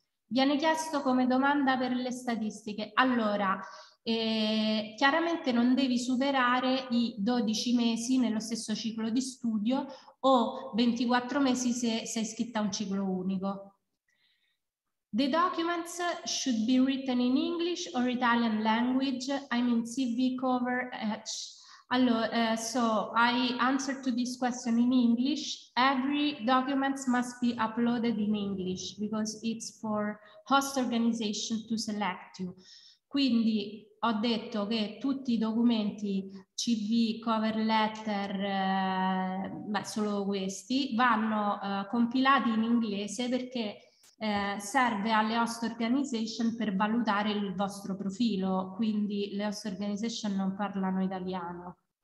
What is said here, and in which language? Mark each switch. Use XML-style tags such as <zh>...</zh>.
<it>Viene chiesto come domanda per le statistiche. Allora, chiaramente non devi superare i 12 mesi nello stesso ciclo di studio o 24 mesi se sei iscritta a un ciclo unico.</it> <en>The documents should be written in English or Italian language. I mean CV cover. Allora, so I answer to this question in English. Every document must be uploaded in English because it's for host organization to select you.</en> <it>Quindi ho detto che tutti i documenti CV, cover letter, ma solo questi, vanno compilati in inglese perché serve alle host organization per valutare il vostro profilo, quindi le host organization non parlano italiano.</it>